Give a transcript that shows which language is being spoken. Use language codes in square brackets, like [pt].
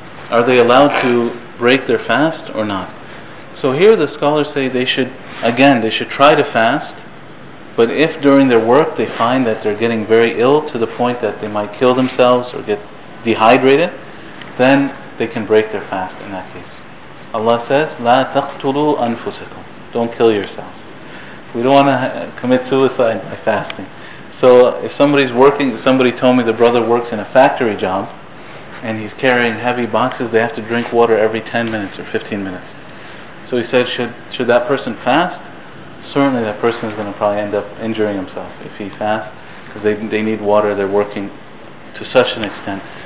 [en] Are they allowed to break their fast or not? So here the scholars say they should, again, they should try to fast, but if during their work they find that they're getting very ill to the point that they might kill themselves or get dehydrated, then they can break their fast in that case. Allah says, [ar] لا تقتلوا أنفسكم. [en] Don't kill yourselves. We don't want to commit suicide by fasting. So if somebody's working, somebody told me the brother works in a factory job, and he's carrying heavy boxes, they have to drink water every 10 minutes or 15 minutes. So he said, should that person fast? Certainly that person is going to probably end up injuring himself if he fasts, because they need water, they're working to such an extent.